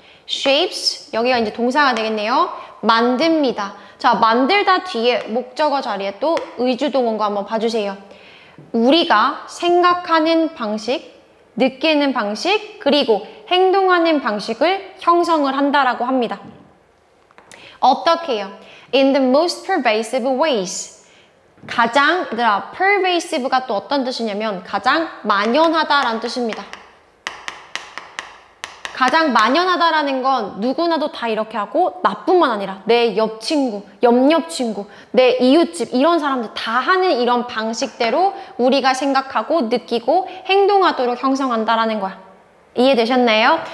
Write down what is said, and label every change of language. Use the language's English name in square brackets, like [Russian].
[Korean] shapes, 여기가 이제 동사가 되겠네요. 만듭니다. 자, 만들다 뒤에 목적어 자리에 또 의주동원과 한번 봐주세요. 우리가 생각하는 방식, 느끼는 방식, 그리고 행동하는 방식을 형성을 한다라고 합니다. 어떻게요? [English] In the most pervasive ways. [Korean] 가장, 얘들아, pervasive가 또 어떤 뜻이냐면 가장 만연하다라는 뜻입니다. 가장 만연하다라는 건 누구나도 다 이렇게 하고 나뿐만 아니라 내 옆 친구, 옆옆 친구, 내 이웃집 이런 사람들 다 하는 이런 방식대로 우리가 생각하고 느끼고 행동하도록 형성한다라는 거야. 이해되셨나요?